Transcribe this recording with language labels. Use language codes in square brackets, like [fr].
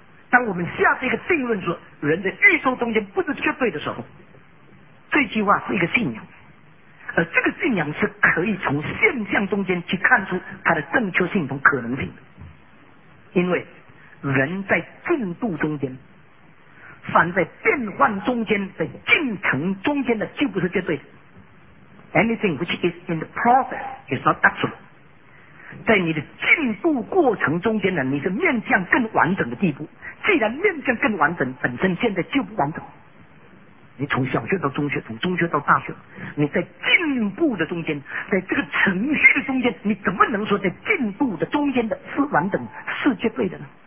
[zh] 当我们下这个定论说人在宇宙中间不是绝对的时候，这句话是一个信仰，而这个信仰是可以从现象中间去看出它的正确性和可能性的。因为人在进度中间，凡在变换中间的进程中间的就不是绝对的。 [en] Anything which is in the process is not absolute。 [zh] 在你的进步过程中间呢，你是面向更完整的地步。既然面向更完整，本身现在就不完整。你从小学到中学，从中学到大学，你在进步的中间，在这个程序的中间，你怎么能说在进步的中间的是完整、是绝对的呢？